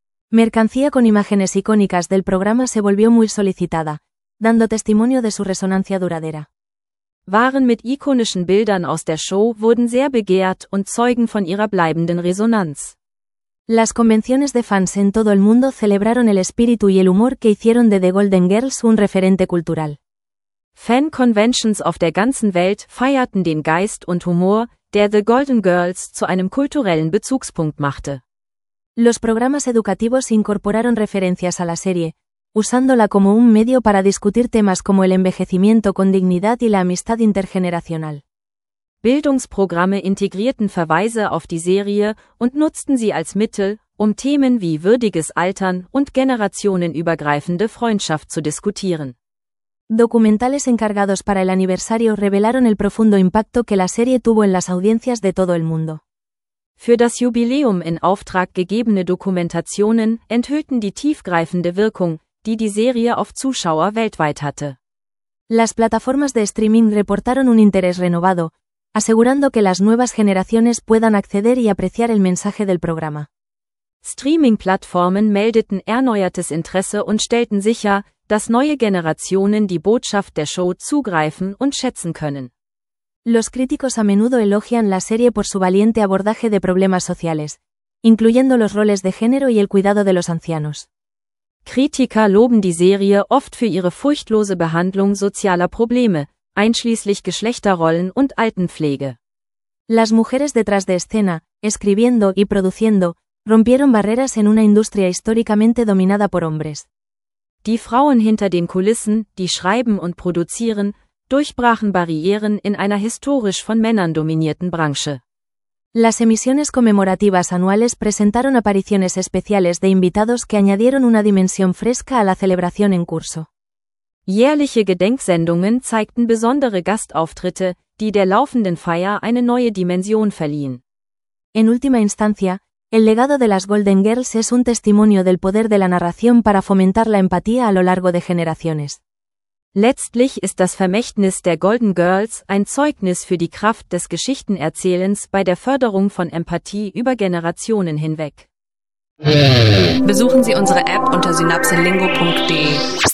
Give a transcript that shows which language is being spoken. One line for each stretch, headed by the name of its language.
Spanish: Mercancía con imágenes icónicas del programa se volvió muy solicitada, dando testimonio de su resonancia duradera.
German: Waren mit ikonischen Bildern aus der Show wurden sehr begehrt und zeugen von ihrer bleibenden Resonanz.
Spanish: Las convenciones de fans en todo el mundo celebraron el espíritu y el humor que hicieron de The Golden Girls un referente cultural.
English: Fan conventions
German: auf der ganzen Welt feierten den Geist und Humor, der The Golden Girls zu einem kulturellen Bezugspunkt machte.
Spanish: Los programas educativos incorporaron referencias a la serie, usándola como un medio para discutir temas como el envejecimiento con dignidad y la amistad intergeneracional.
German: Bildungsprogramme integrierten Verweise auf die Serie und nutzten sie als Mittel, um Themen wie würdiges Altern und generationenübergreifende Freundschaft zu diskutieren.
Spanish: Documentales encargados para el aniversario revelaron el profundo impacto que la serie tuvo en las audiencias de todo el mundo.
German: Für das Jubiläum in Auftrag gegebene Dokumentationen enthüllten die tiefgreifende Wirkung, die die Serie auf Zuschauer weltweit hatte.
Spanish: Las plataformas de streaming reportaron un interés renovado, asegurando que las nuevas generaciones puedan acceder y apreciar el mensaje del programa.
German: Streaming-Plattformen meldeten erneuertes Interesse und stellten sicher, dass neue Generationen die Botschaft der Show zugreifen und schätzen können.
Spanish: Los críticos a menudo elogian la serie por su valiente abordaje de problemas sociales, incluyendo los roles de género y el cuidado de los ancianos.
German: Kritiker loben die Serie oft für ihre furchtlose Behandlung sozialer Probleme, einschließlich Geschlechterrollen und Altenpflege.
Spanish: Las mujeres detrás de escena, escribiendo y produciendo, rompieron barreras en una industria históricamente dominada por hombres.
German: Die Frauen hinter den Kulissen, die schreiben und produzieren, durchbrachen Barrieren in einer historisch von Männern dominierten Branche.
Spanish: Las emisiones conmemorativas anuales presentaron apariciones especiales de invitados que añadieron una dimensión fresca a la celebración en curso.
German: Jährliche Gedenksendungen zeigten besondere Gastauftritte, die der laufenden Feier eine neue Dimension verliehen.
Spanish: En última instancia, el legado de las Golden Girls es un testimonio del poder de la narración para fomentar la empatía a lo largo de generaciones.
German: Letztlich ist das Vermächtnis der Golden Girls ein Zeugnis für die Kraft des Geschichtenerzählens bei der Förderung von Empathie über Generationen hinweg. Besuchen Sie unsere App unter synapselingo.de.